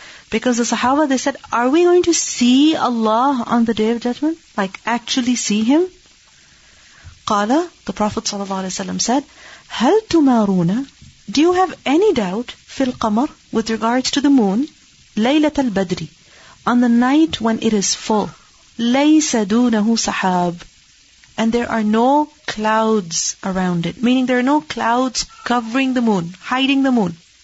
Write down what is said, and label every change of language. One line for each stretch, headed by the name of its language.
English: Because the Sahaba, they said, are we going to see Allah on the Day of Judgment? Like actually see Him?
Arabic: قال,
English: the Prophet ﷺ said,
Arabic: هل تمارون?
English: Do you have any doubt
Arabic: في القمر
English: with regards to the moon? Laylat al-Badri, on the night when it is full.
Arabic: لَيْسَ دُونَهُ سَحَابٍ
English: And there are no clouds around it. Meaning there are no clouds covering the moon, hiding the moon.